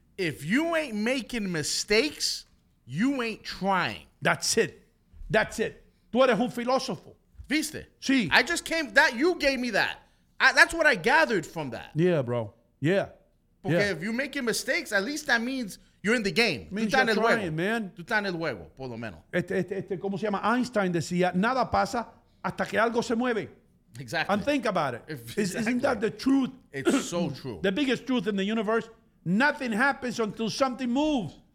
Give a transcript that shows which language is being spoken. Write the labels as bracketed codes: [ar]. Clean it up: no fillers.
[en] If you ain't making mistakes, you ain't trying. That's it. [es] Tú eres un filósofo. ¿Viste? Sí. [en] I just came, that you gave me that. That's what I gathered from that. Yeah, bro. Yeah. Okay, yeah. If you're making mistakes, at least that means you're in the game. Means you're trying, man. [es] Tú estás en el juego, por lo menos. ¿Cómo se llama? Einstein decía, nada pasa hasta que algo se mueve. [en] Exactly. And think about it. Isn't that the truth? It's so true. The biggest truth in the universe, nothing happens until something moves.